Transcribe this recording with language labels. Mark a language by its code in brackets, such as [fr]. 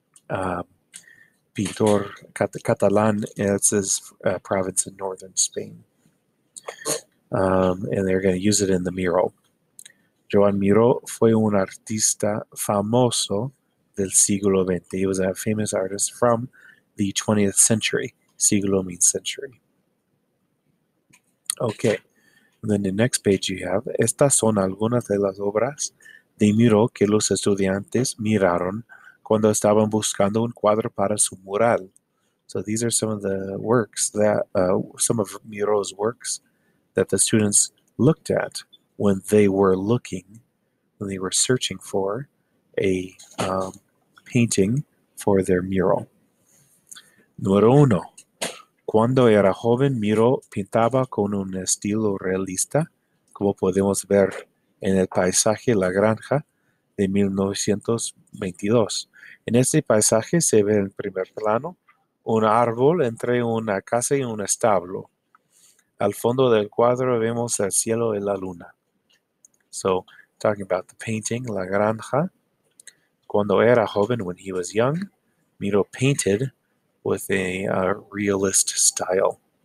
[es] Pintor catalán, [en] it's his province in northern Spain. And they're going to use it in the mural. [es] Joan Miró fue un artista famoso del siglo XX. [en] He was a famous artist from the 20th century. Siglo means century. Okay. And then the next page you have, [es] estas son algunas de las obras de Miró que los estudiantes miraron cuando estaban buscando un cuadro para su mural. [en] So these are some of the works that, some of Miró's works that the students looked at when they were looking, when they were searching for a painting for their mural. [es] Número uno. Cuando era joven, Miró pintaba con un estilo realista, como podemos ver en el paisaje La Granja de 1922. En este paisaje se ve en primer plano un árbol entre una casa y un establo. Al fondo del cuadro vemos el cielo y la luna. [en] So, talking about the painting, La Granja. [es] Cuando era joven, [en] when he was young, Miró painted with a realist style.